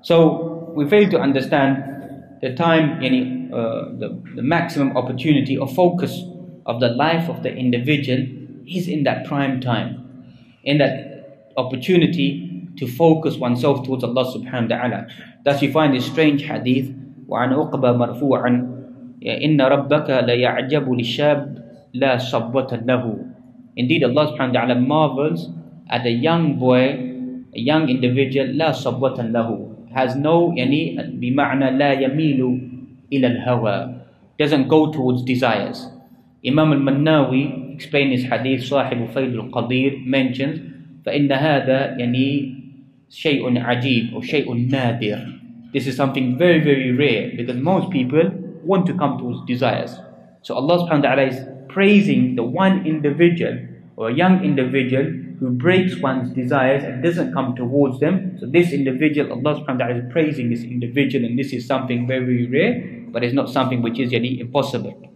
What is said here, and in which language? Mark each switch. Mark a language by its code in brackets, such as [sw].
[en] So we fail to understand the time, the maximum opportunity or focus of the life of the individual is in that prime time, in that opportunity to focus oneself towards Allah subhanahu wa ta'ala. Thus you find this strange hadith, [ar] وَعَنْ أُقْبَى مَرْفُوعًا إِنَّ رَبَّكَ لَيَعْجَبُ لِشَابٍ لَا صَبْوَةً لَهُ. [en] Indeed Allah subhanahu wa ta'ala marvels at a young boy, a young individual, [ar] لَا صَبْوَةً لَهُ. [en] Has no, [ar] بِمَعْنَى لَا يَمِيلُ إِلَى الْهَوَى. [en] Doesn't go towards desires. Imam al-Mannawi explained his hadith, [ar] صاحب فيض القدير mentions, فَإِنَّ هَذَا شَيْءٌ عَجِيبٌ or شَيْءٌ نَادِرٌ. [en] This is something very, very rare because most people want to come towards desires. So Allah subhanahu wa ta'ala is praising the one individual or a young individual who breaks one's desires and doesn't come towards them. So this individual, Allah subhanahu wa ta'ala is praising this individual, and this is something very rare, but it's not something which is yet impossible.